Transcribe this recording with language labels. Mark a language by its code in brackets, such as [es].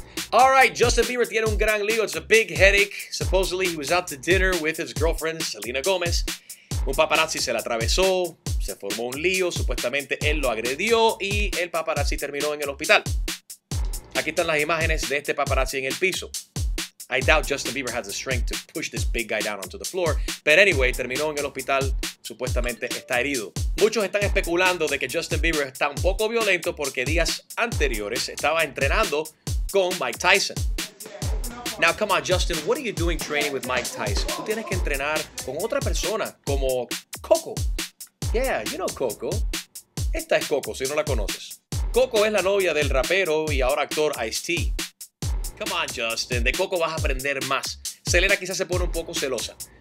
[en] All right, [es] Justin Bieber tiene un gran lío. [en] It's a big headache. Supposedly, he was out to dinner with his girlfriend, Selena Gomez. [es] Un paparazzi se la atravesó, se formó un lío. Supuestamente, él lo agredió y el paparazzi terminó en el hospital. Aquí están las imágenes de este paparazzi en el piso. [en] I doubt Justin Bieber has the strength to push this big guy down onto the floor. But anyway, [es] terminó en el hospital, supuestamente está herido. Muchos están especulando de que Justin Bieber está un poco violento porque días anteriores estaba entrenando con Mike Tyson. [en] Now, come on, Justin, what are you doing training with Mike Tyson? [es] Tú tienes que entrenar con otra persona, como Coco. [en] Yeah, you know Coco. [es] Esta es Coco, si no la conoces. Coco es la novia del rapero y ahora actor Ice-T. [en] Come on, [es] Justin, de Coco vas a aprender más. Selena quizás se pone un poco celosa.